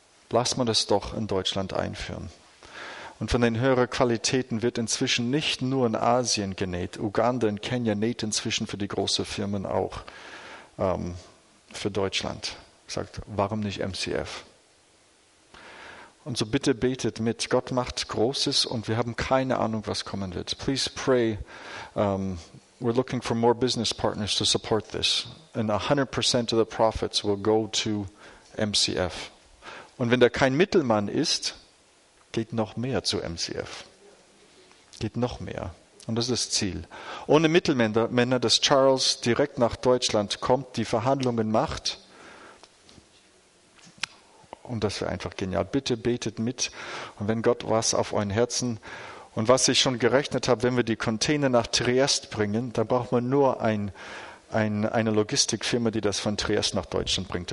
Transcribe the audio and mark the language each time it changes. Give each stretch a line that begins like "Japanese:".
German: Lass mal das doch in Deutschland einführen. Und von den höheren Qualitäten wird inzwischen nicht nur in Asien genäht. Uganda und Kenia näht inzwischen für die großen Firmen auch für Deutschland. Sagt, warum nicht MCF? Und so bitte betet mit. Gott macht Großes und wir haben keine Ahnung, was kommen wird.
English: Please pray. We're looking for more business partners to support this. And 100% of the profits will go to MCF.
German: Und wenn da kein Mittelmann ist, geht noch mehr zu MCF. Geht noch mehr. Und das ist das Ziel. Ohne Mittelmänner, dass Charles direkt nach Deutschland kommt, die Verhandlungen macht. Und das wäre einfach genial. Bitte betet mit. Und wenn Gott was auf euren Herzen und was ich schon gerechnet habe, wenn wir die Container nach Triest bringen, dann braucht man nur eine Logistikfirma, die das von Triest nach Deutschland bringt.